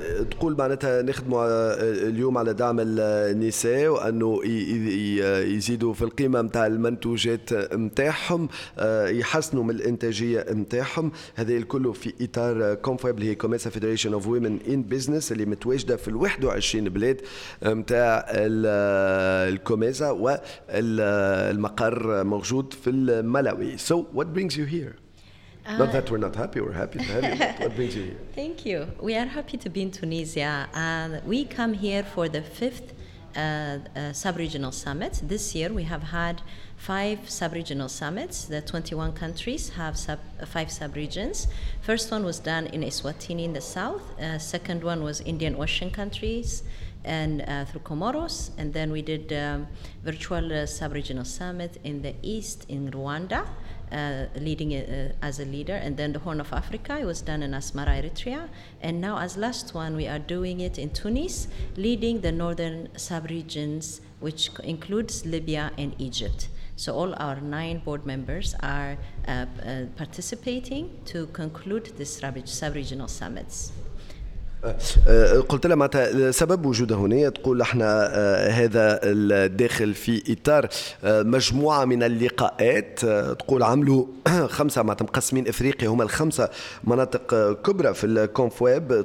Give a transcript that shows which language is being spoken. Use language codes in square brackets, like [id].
[ar] تقول معناتها نخدموا اليوم على دعم النساء وأنه يزيدوا في القيمة متاع المنتوجات متاعهم، يحسنوا من الإنتاجية متاعهم. هذا الكل في إطار كونفويب اللي هي كوميسا فيدريشن أوف ويمن إن بيزنس اللي متواجدة في 21 بلاد متاع الكوميسا، والمقر موجود في الملاوي. [en] So what brings you here? Not that we're not happy, we're happy to have you. What brings you here? Thank you. We are happy to be in Tunisia. We come here for the fifth sub-regional summit. This year we have had five sub-regional summits. The 21 countries have five sub-regions. First one was done in Eswatini in the south. Second one was Indian Ocean countries and through Comoros. And then we did a virtual sub-regional summit in the east in Rwanda. Leading as a leader, and then the Horn of Africa, it was done in Asmara, Eritrea, and now as last one we are doing it in Tunis, leading the northern sub-regions, which includes Libya and Egypt. So all our nine board members are participating to conclude this sub-regional summits. [ar] قلت لها معناتها سبب وجودها هنا، تقول احنا هذا الداخل في اطار مجموعه من اللقاءات، تقول عملوا خمسه معناتها مقسمين افريقيا هما الخمسه مناطق كبرى في الكونف ويب.